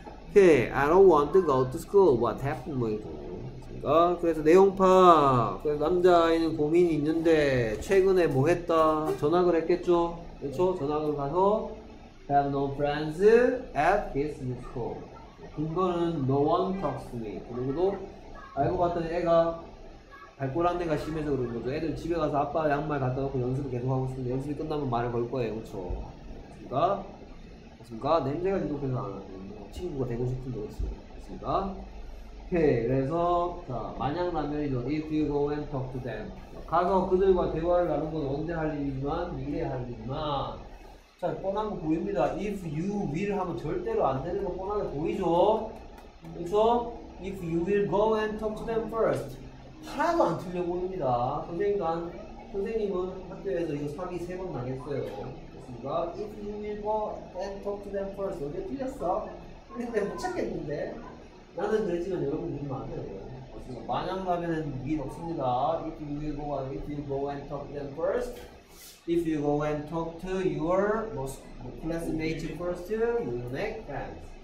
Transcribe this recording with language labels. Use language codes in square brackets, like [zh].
[en] Okay, I don't want to go to school. What happened? [ko] 뭐 이거. 됐습니까? 그래서 내용파. 그래서 남자아이는 고민이 있는데, 최근에 뭐 했다? 전학을 했겠죠? 그렇죠? 전학을 가서, [en] have no friends at his school. [ko] 근거는 [en] no one talks to me. [ko] 그리고도 알고 봤더니 애가 발꼬락내가 심해서 그런 거죠. 애들 집에 가서 아빠 양말 갖다 놓고 연습을 계속 하고 있습니다. 연습이 끝나면 말을 걸 거예요. 그렇죠? 맞습니까? 맞습니까? 냄새가 계속해서 안 하고 친구가 되고 싶은 거 있어요. 맞습니까? 오케이. 그래서 자, 만약 라면이죠. [en] If you go and talk to them. [ko] 가서 그들과 대화를 나눈 건 언제 할 일이지만 미래에 할 일이지만 자, 뻔한 거 보입니다. [en] If you will [ko] 하면 절대로 안 되는 거 뻔하게 보이죠? 그래서 [en] If you will go and talk to them first. [ko] 하나도 안 틀려 보입니다. 선생님은 학교에서 이거 사기 세 번 당했어요. 그렇습니까? [en] If you will go and talk to them first. [ko] 어디 틀렸어? 근데 못 찾겠는데? 나는 그랬지만 여러분 믿으면 안 돼요. 그렇습니까? 만약 가면은 믿 없습니다. [en] If you will go and, if you go and talk to them first. If you go and talk to your classmate first, you will make friends.